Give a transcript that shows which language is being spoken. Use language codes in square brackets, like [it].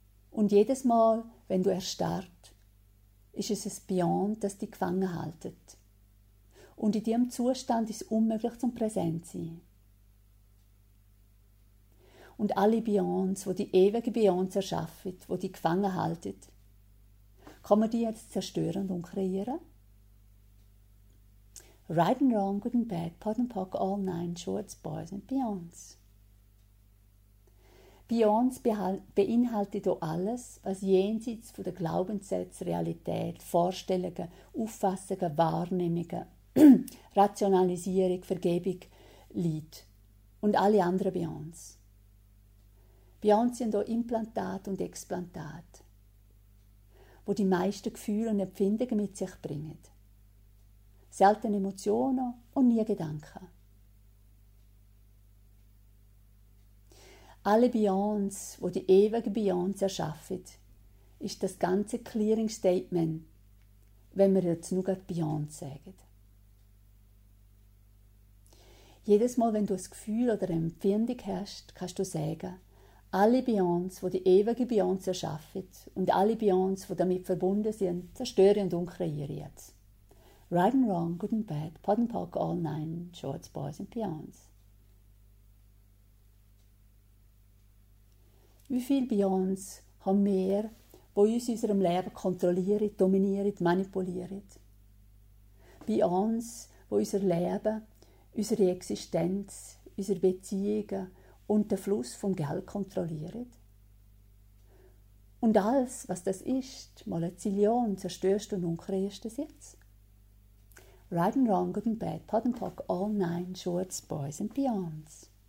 [de] Und jedes Mal, wenn du erstarrt, ist es ein Beyond, das dich gefangen hält. Und in diesem Zustand ist es unmöglich, zum Präsent zu sein. Und alle Beyonds, die die ewigen Beyonds erschaffen, die dich gefangen halten, kann man die jetzt zerstören und kreieren? [en] Right and wrong, good and bad, pot and pock, all nine, shorts, boys and beyonds. [de] Beyonds beinhaltet auch alles, was jenseits von den Glaubenssätzen, Realität, Vorstellungen, Auffassungen, Wahrnehmungen, Rationalisierung, Vergebung liegt. Und alle anderen Beyonds. Beyonds sind auch Implantat und Explantat, wo die meisten Gefühle und Empfindungen mit sich bringen. Selten Emotionen und nie Gedanken. Alle Beyonds, wo die ewigen Beyonds erschaffen, ist das ganze Clearing Statement wenn wir jetzt nur gerade Beyond sagen. Jedes Mal, wenn du ein Gefühl oder eine Empfindung hast, kannst du sagen, alle Beyonds, die ewige Beyonds erschaffen und alle Beyonds, die damit verbunden sind, zerstöre und unkreiere jetzt. [en] Right and wrong, good and bad, pot and pock, all nine, shorts, boys and Beyonds. [de] Wie viele Beyonds haben wir, die uns in unserem Leben kontrollieren, dominieren, manipulieren? Beyonds, die unser Leben, unsere Existenz, unsere Beziehungen und den Fluss vom Geld kontrolliert. Und alles, was das ist, mal eine Zillion, zerstörst du nun kreierst es jetzt. [en] Right and wrong, good and bad, pot and pock, all nine, shorts, boys and beyonds.